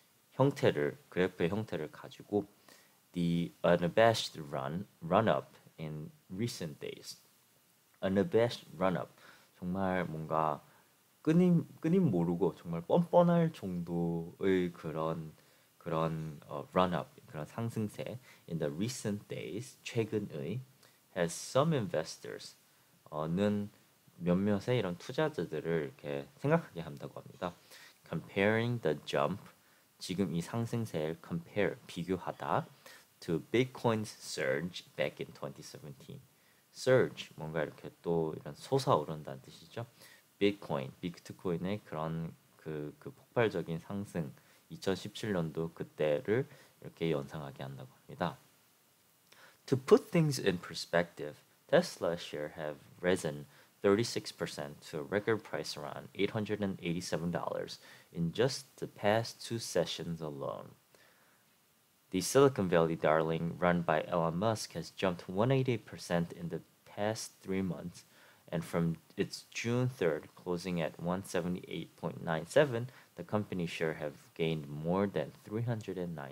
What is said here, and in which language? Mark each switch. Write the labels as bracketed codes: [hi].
[ko] 형태를 그래프의 형태를 가지고 [en] the unabashed run up in recent days [ko] unabashed run up 정말 뭔가 끊임모르고 정말 뻔뻔할 정도의 그런 run up 그런 상승세 in the recent days 최근의 [en] has some investors [ko] 는 몇몇의 이런 투자자들을 이렇게 생각하게 한다고 합니다. [en] Comparing the jump [ko] 지금 이 상승세를 [en] compare [ko] 비교하다 [en] to Bitcoin's surge back in 2017. [ko] Surge 뭔가 이렇게 또 이런 솟아오른다는 뜻이죠. 비트코인의 그런 그 폭발적인 상승 2017년도 그때를 이렇게 연상하게 한다고 합니다. [en] To put things in perspective, Tesla share have risen 36% to a record price around $887 in just the past two sessions alone. The Silicon Valley darling run by Elon Musk has jumped 180% in the past 3 months, and from its June 3rd closing at 178.97, the company share have gained more than 395%.